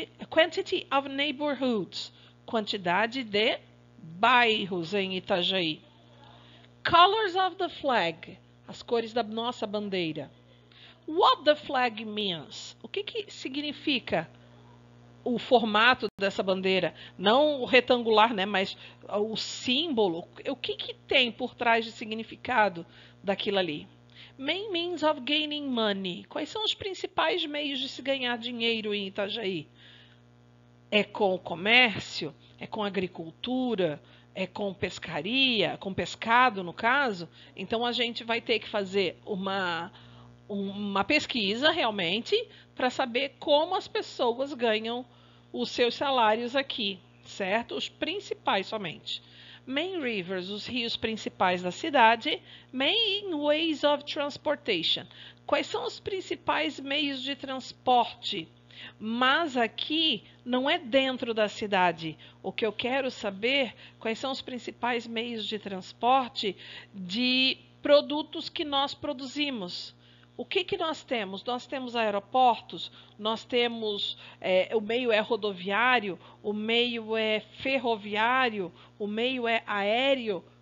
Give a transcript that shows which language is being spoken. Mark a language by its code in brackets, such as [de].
[en] Quantity of neighborhoods. [pt] Quantidade de bairros em Itajaí. [en] Colors of the flag, [pt] as cores da nossa bandeira. [en] What the flag means? [pt] O que que significa o formato dessa bandeira? Não o retangular, né? Mas o símbolo. O que que tem por trás de significado daquilo ali? [en] Main means of gaining money. [pt] Quais são os principais meios de se ganhar dinheiro em Itajaí? É com o comércio? É com agricultura, é com pescaria, com pescado, no caso. Então a gente vai ter que fazer uma pesquisa realmente para saber como as pessoas ganham os seus salários aqui, certo? Os principais somente. [en] Main rivers, [pt] os rios principais da cidade. [en] Main ways of transportation. [pt] Quais são os principais meios de transporte? Mas aqui não é dentro da cidade. O que eu quero saber, quais são os principais meios de transporte de produtos que nós produzimos. O que que nós temos? Nós temos aeroportos, nós temos, o meio é rodoviário, o meio é ferroviário, o meio é aéreo.